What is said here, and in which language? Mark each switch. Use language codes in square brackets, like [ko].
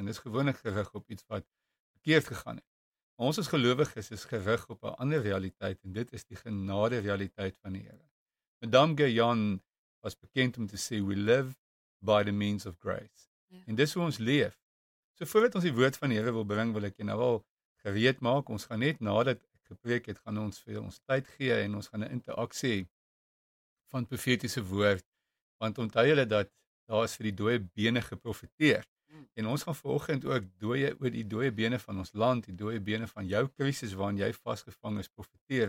[af] En dis gewoonlik gerig op iets wat verkeerd gegaan het. Maar ons as gelowiges is gerig op 'n ander realiteit, en dit is die genade realiteit van die Here. [en] Madame Guyon [af] was bekend om te sê, [en] we live by the means of grace. [af] Ja. En dis hoe ons leef. So voordat ons die woord van die Here wil bring, wil ek jy nou al gereed maak. Ons gaan net nadat ek gepreek het, gaan ons vir ons tyd gee en ons gaan 'n interaksie van profetiese woord. Want onthou julle dat daar is vir die dooie bene geprofeteer. En ons gaan vanoggend ook dooie oor die dooie bene van ons land, die dooie bene van jou krisis waarin jy vasgevang is, profeteer.